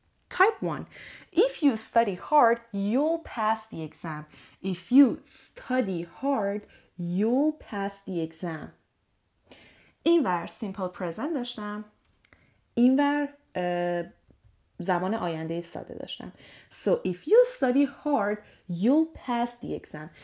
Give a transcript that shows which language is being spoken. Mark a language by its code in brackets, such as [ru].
[en] Type 1: if you study hard you'll pass the exam. If you study hard you'll pass the exam. [fa] اینور simple present داشتم، اینور زمان آینده ساده داشتم. [en] So if you study hard you'll pass the exam.